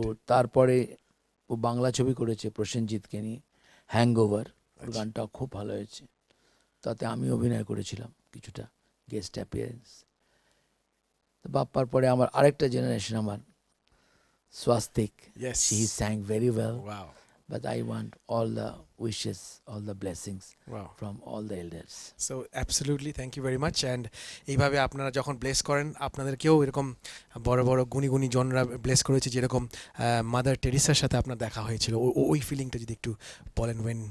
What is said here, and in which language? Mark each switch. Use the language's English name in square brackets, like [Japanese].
[Bangla] তারপরে ও বাংলা ছবি করেছে প্রসেনজিৎকে নিয়ে হ্যাংওভার, ওর গানটা খুব ভালো হয়েছে, তাতে আমি অভিনয় করেছিলাম কিছুটা গেস্ট অ্যাপিয়ারেন্স। বাপ্পার পরে আমার আরেকটা জেনারেশন আমার স্বাস্তিক, [English] Yes, he sang very well, But I want all the wishes, all the blessings wow. from all the elders. So absolutely, thank you very much. [Bangla] And এইভাবে আপনারা যখন ব্লেস করেন আপনাদেরকেও এরকম বড় বড় গুণী জনরা ব্লেস করেছে যেরকম মাদার টেরিসার সাথে আপনার দেখা হয়েছিল ওই ফিলিংটা যদি একটু বলেন when